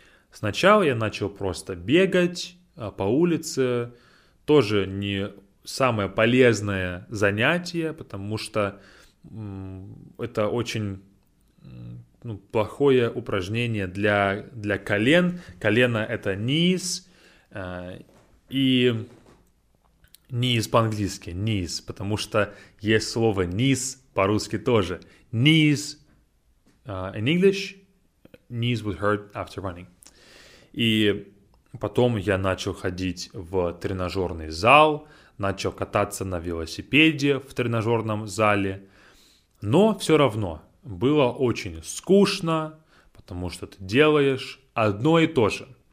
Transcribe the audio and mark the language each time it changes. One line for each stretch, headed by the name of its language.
Russian: Сначала я начал просто бегать по улице, тоже не самое полезное занятие, потому что это очень плохое упражнение для колен. Колено – это низ, и низ по-английски, низ, потому что есть слово низ по-русски тоже.
English: Knees in English, knees would hurt after running.
Russian: И потом я начал ходить в тренажерный зал, начал кататься на велосипеде в тренажерном зале. Но все равно было очень скучно, потому что ты делаешь одно и то же.